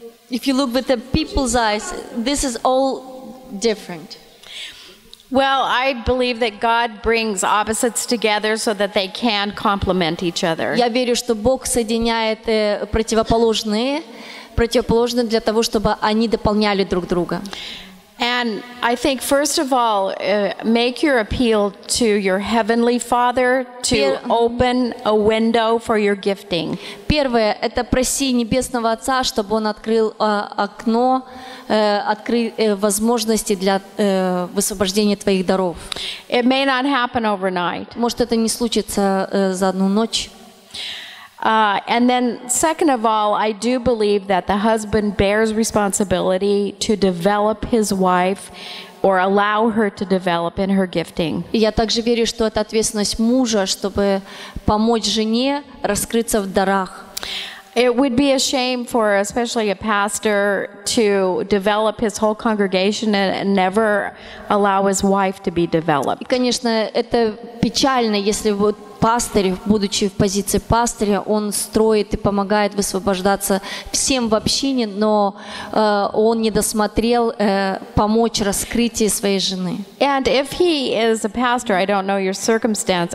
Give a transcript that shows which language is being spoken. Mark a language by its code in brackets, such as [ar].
[en] If you look with the people's eyes, this is all different. Well, I believe that God brings opposites together so that they can complement each other. [ru] Я верю, что Бог соединяет противоположные для того, чтобы они дополняли друг друга. [en] And I think, first of all, make your appeal to your Heavenly Father to open a window for your gifting. [ru] Первое – это проси Небесного Отца, чтобы Он открыл окно, открыл возможности для высвобождения твоих даров. [en] It may not happen overnight. [ru] Может, это не случится за одну ночь. [en] And then, second of all, I do believe that the husband bears responsibility to develop his wife or allow her to develop in her gifting. [ru] Я также верю, что это ответственность мужа, чтобы помочь жене раскрыться в дарах. [en] It would be a shame for especially a pastor to develop his whole congregation and never allow his wife to be developed. [ru] И, конечно, это печально, если вот пастырь, будучи в позиции пастыря, он строит и помогает высвобождаться всем в общине, но он не досмотрел помочь раскрытию своей жены. [en] And if he is a pastor, I don't know your circumstance.